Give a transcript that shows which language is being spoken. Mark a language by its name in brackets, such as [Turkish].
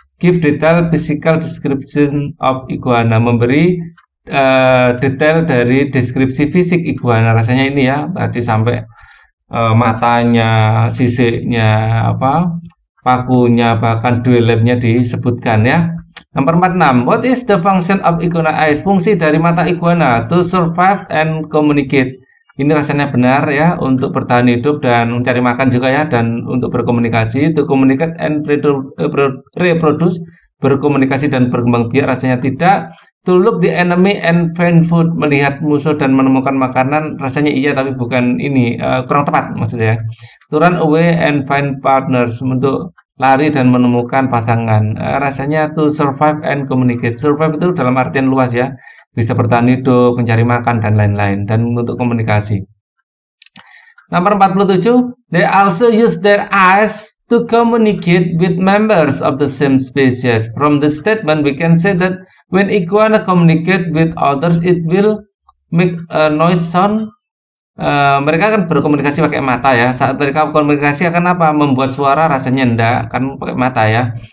[English] Give detail physical description of iguana. [Indonesian] Memberi detail dari deskripsi fisik iguana. Rasanya ini ya, berarti sampai matanya, sisiknya, apa, pakunya, bahkan dewlapnya disebutkan ya. [English] Nomor 46, what is the function of iguana eyes? [Indonesian] Fungsi dari mata iguana, [English] to survive and communicate. [Indonesian] Ini rasanya benar ya, untuk bertahan hidup dan mencari makan juga ya, dan untuk berkomunikasi, [English] to communicate and reproduce, [Indonesian] berkomunikasi dan berkembang biak, rasanya tidak. [English] To look the enemy and find food, [Indonesian] melihat musuh dan menemukan makanan, rasanya iya tapi bukan ini, kurang tepat maksudnya. [English] To run away and find partners, [Indonesian] untuk lari dan menemukan pasangan, rasanya [English] to survive and communicate. [Indonesian] Survive itu dalam artian luas ya, bisa bertahan hidup, mencari makan, dan lain-lain, dan untuk komunikasi. [English] Nomor 47, they also use their eyes to communicate with members of the same species. From the statement, we can say that when iguana communicate with others, it will make a noise sound. [Indonesian] Mereka akan berkomunikasi pakai mata ya. Saat mereka komunikasi akan apa? Membuat suara, rasanya enggak, kan pakai mata ya.